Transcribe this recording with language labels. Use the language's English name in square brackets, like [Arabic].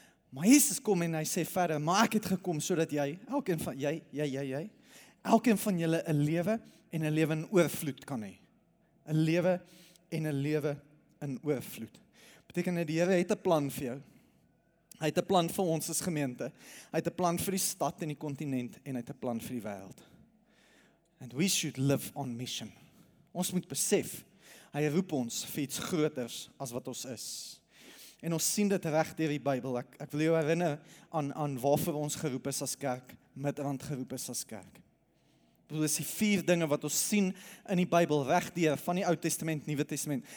[Afrikaans] Maar Jesus kom en hy sê verder, maar ek het gekom sodat jy, elkeen van jy, elkeen van julle 'n lewe en 'n lewe in oorvloed kan hê. 'n Lewe en 'n lewe in oorvloed. Beteken dat die Here het 'n plan vir jou. Hy het 'n plan vir ons as gemeente. Hy het 'n plan vir die stad en die kontinent en hy het 'n plan vir die wêreld. [English] And we should live on mission. [Afrikaans] Ons moet besef, hy roep ons vir iets groters as wat ons is. En ons sien dit reg deur die Bybel. Ek wil jou herinner aan waarvoor ons geroep is as kerk, Midrand geroep is as kerk. Dit is die vier dinge wat ons sien in die Bybel, regdeur van die Oud Testament, Nuwe Testament.